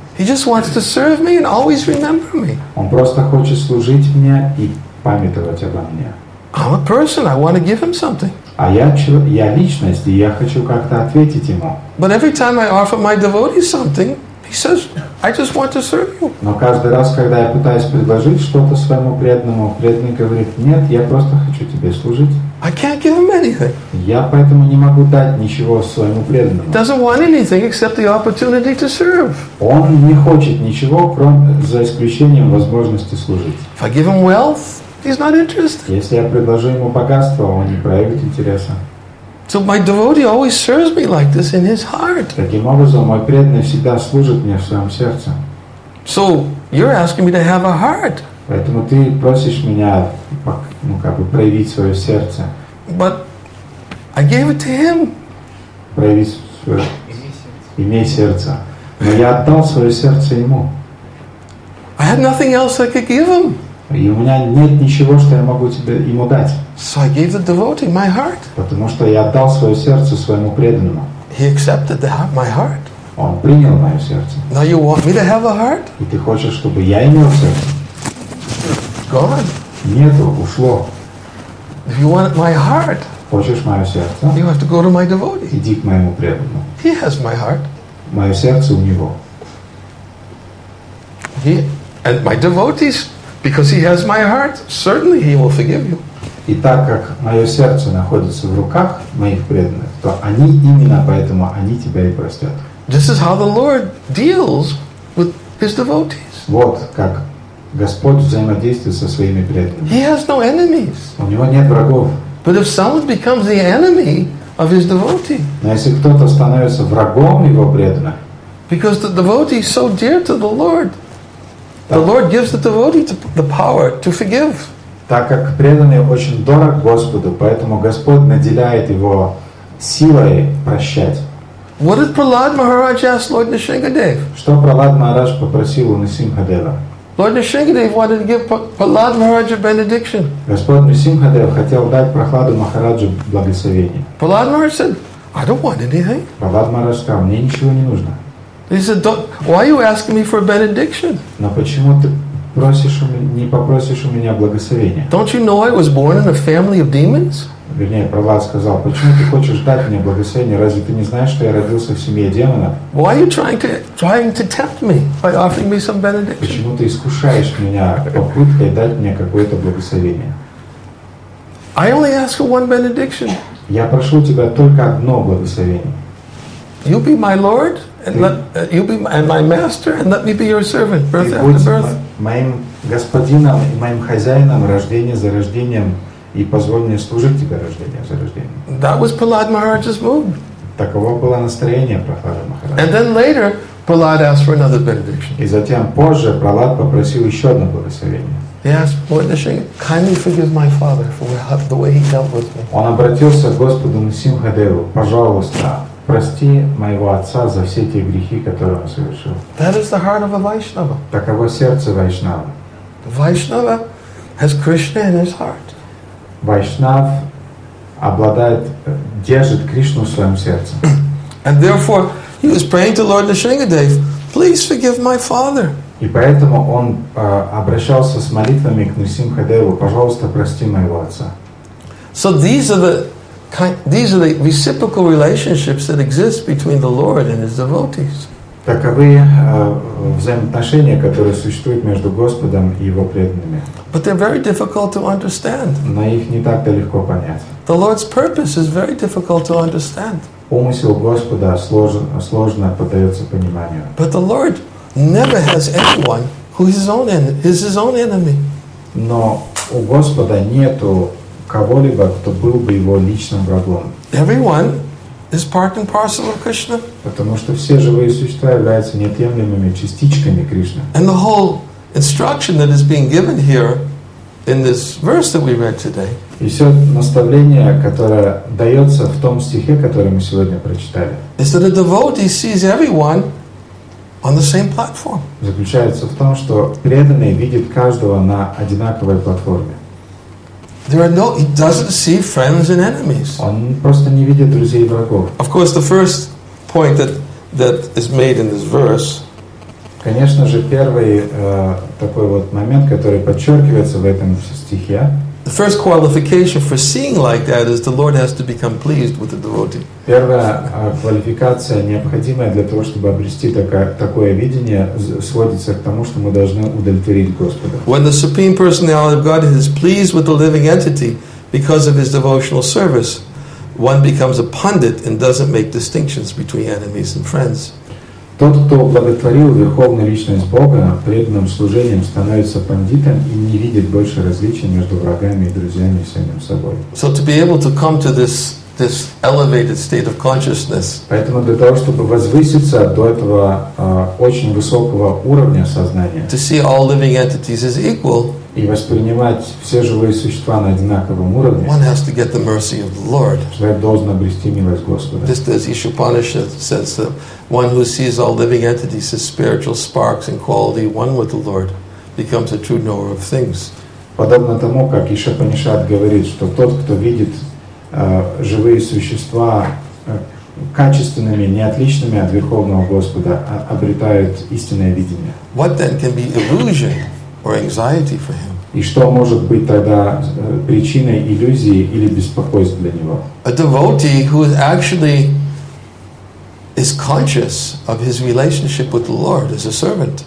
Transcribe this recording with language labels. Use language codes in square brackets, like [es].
[en] He just wants to serve me and always remember me. [ru] Он просто хочет служить мне и памятовать обо мне. [en] I'm a person, I want to give him something. [ru] А я личность, и я хочу как-то ответить ему. [en] But every time I offer my devotee something, he says, I just want to serve you. [ru] Но каждый раз, когда я пытаюсь предложить что-то своему преданному, преданный говорит, нет, я просто хочу тебе служить. [en] I can't give him anything. [ru] Я поэтому не могу дать ничего своему преданному. [en] He doesn't want anything except the opportunity to serve. [ru] Он не хочет ничего, кроме за исключением возможности служить. [en] If I give him wealth, he's not interested. [ru] Если я предложу ему богатство, он не проявит интереса. [en] So my devotee always serves me like this in his heart. [ru] Таким образом, мой преданный всегда служит мне в своем сердце. [en] So you're asking me to have a heart. [ru] Поэтому ты просишь меня, ну, как бы проявить свое сердце. [en] But I gave it to him. [ru] Проявить свое. Имей сердце. Но я отдал свое сердце ему. [en] I had nothing else I could give him. [ru] И у меня нет ничего, что я могу тебе ему дать. [en] So I gave the devotee my heart. [ru] Потому что я отдал свое сердце своему преданному. [en] He accepted my heart. [ru] Он принял мое сердце. [en] Now you want me to have a heart? [ru] И ты хочешь, чтобы я имел сердце? [en] Gone. [ru] Нету, ушло. [en] If you want my heart, [ru] хочешь мое сердце? [en] You have to go to my devotee. [ru] Иди к моему преданному. [en] He has my heart. [ru] Мое сердце у него. [en] He and my devotees. Because he has my heart, certainly he will forgive you. [ru] И так как мое сердце находится в руках моих преданных, то они именно поэтому они тебя и простят. [en] This is how the Lord deals with his devotees. [ru] Вот как Господь взаимодействует со своими преданными. [en] He has no enemies. [ru] У него нет врагов. [en] But if someone becomes the enemy of his devotee. [ru] Но если кто-то становится врагом его преданных. [en] Because the devotee is so dear to the Lord. The Lord gives the devotee the power to forgive. [ru] Так как преданный очень дорог Господу, поэтому Господь наделяет его силой прощать. [en] What did Prahlad Maharaj ask Lord Nisshinkadev? [ru] Что Прахлад Махарадж попросил у Нисимхадева? [en] Lord Nisshinkadev wanted to give Prahlad Maharaj a benediction. [ru] Господь Нисимхадев хотел дать Прахладу Махараджу благословение. [en] Prahlad Maharaj said, I don't want anything. [ru] Прахлад Махарадж сказал, мне ничего не нужно. [en] He said, "Why are you asking me for a benediction?" [ru] Но почему ты просишь у меня, не попросишь у меня благословения? [en] Don't you know I was born in a family of demons? [ru] вернее, Прохлад сказал, почему ты хочешь дать мне благословение? Разве ты не знаешь, что я родился в семье демонов? [en] Why are you trying to tempt me by offering me some benediction? [ru] Почему ты искушаешь меня попыткой дать мне какое-то благословение? [en] I only ask for one benediction. [ru] Я прошу тебя только одно благословение. [en] You be my Lord and let you be and my Master and let me be your servant, birth after birth. [ru] Моим господином и моим хозяином, рождение за рождением, и позволь мне служить тебе рождение за рождением. [en] That was Prahlad Maharaj's mood. [ru] Таково было настроение Прохлады Махараджа. [en] And then later, Prahlad asked for another benediction. [ru] И затем позже Прохлад попросил еще одно благословение. [en] He asked, Lord Nisinga, kindly forgive my father for the way he dealt with me. [ru] Он обратился к Господу Нисимхадеву, пожалуйста, прости моего отца за все те грехи, которые он совершил. [en] That is the heart of a Vaishnava. [ru] Таково сердце Вайшнава. [en] Vaishnava has Krishna in his heart. [ru] Вайшнав обладает, держит Кришну в своем сердце. [en] And therefore, he was praying to Lord Nisingadev, please forgive my father. [ru] И поэтому он обращался с молитвами к Нисимхадеву, пожалуйста, прости моего отца. [en] So these are the reciprocal relationships that exist between the Lord and His devotees. [ru] Таковы взаимоотношения, которые существуют между Господом и Его преданными. [en] But they're very difficult to understand. [ru] Но их не так-то легко понять. [en] The Lord's purpose is very difficult to understand. [ru] Умысел Господа сложно поддается пониманию. [en] But the Lord never has anyone who is his own enemy. [ru] Но у Господа нету кого-либо, кто был бы его личным врагом. [en] Everyone is part and parcel of Krishna. [ru] Потому что все живые существа являются неотъемлемыми частичками Кришны. [en] And the whole instruction that is being given here in this verse that we read today. [ru] И все наставление, которое дается в том стихе, который мы сегодня прочитали. [en] Is that a devotee sees everyone on the same platform. [ru] Заключается в том, что преданный видит каждого на одинаковой платформе. [en] He doesn't see friends and enemies. [ru] Он просто не видит друзей и врагов. [en] Of course, the first point that is made in this verse. [ru] Конечно же, первый такой вот момент, который подчеркивается в этом стихе. [en] The first qualification for seeing like that is the Lord has to become pleased with the devotee. [ru] Первая квалификация, необходимая для того, чтобы обрести такое видение, сводится к тому, что мы должны удовлетворить Господа. [en] When the Supreme Personality of Godhead is pleased with the living entity because of his devotional service, one becomes a pundit and doesn't make distinctions between enemies and friends. [ru] Тот, кто благотворил Верховную Личность Бога, преданным служением становится пандитом и не видит больше различий между врагами и друзьями и самим собой. [en] So to be able to come to this elevated state of consciousness. [ru] Поэтому для того, чтобы возвыситься до этого очень высокого уровня сознания, [en] to see all living entities as equal, [ru] и воспринимать все живые существа на одинаковом уровне, [en] one has to get the mercy of the Lord. [ru] Человек должен обрести милость Господа. [en] Just as Ishupanishad says, that one who sees all living entities as spiritual sparks and quality one with the Lord becomes a true knower of things. [ru] Подобно тому, как Ишупанишад говорит, что тот, кто видит живые существа качественными, неотличными от Верховного Господа, обретают истинное видение. [en] What then can be illusion or anxiety for him? [ru] И что может быть тогда причиной иллюзии или беспокойства для него? [en] A devotee who actually is conscious of his relationship with the Lord as a servant.